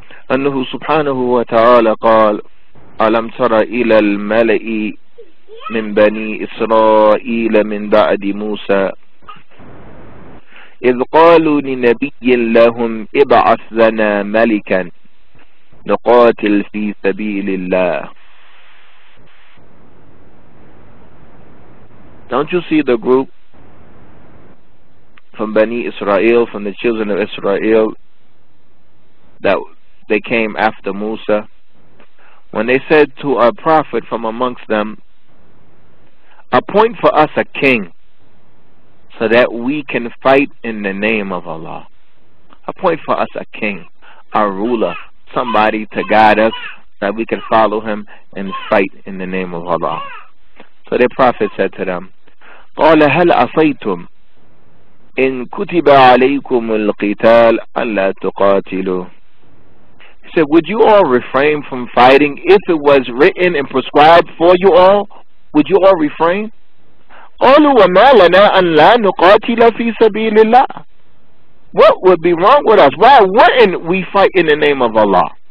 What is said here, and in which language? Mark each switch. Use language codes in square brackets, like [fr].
[ar] أنه سبحانه وتعالى قال ألم تر إلى الملأ من بني إسرائيل من بعد موسى إذ قالوا لنبي لهم ابعث لنا ملكا نقاتل في سبيل الله. [en] Don't you see the group from Bani Israel, from the children of Israel, that they came after Musa, when they said to a prophet from amongst them, appoint for us a king so that we can fight in the name of Allah. Appoint for us a king, a ruler, somebody to guide us that we can follow him and fight in the name of Allah. So their prophet said to them, [ar] قال هل عصيتم إن كتب عليكم القتال ألا تقاتلوا. [en] He said, would you all refrain from fighting if it was written and prescribed for you all? Would you all refrain? [ar] قَالُوا وَمَا لَنَا أَنْ لَا نُقَاتِلَ فِي سَبِيلِ اللَّهِ. [en] What would be wrong with us? Why wouldn't we fight in the name of Allah?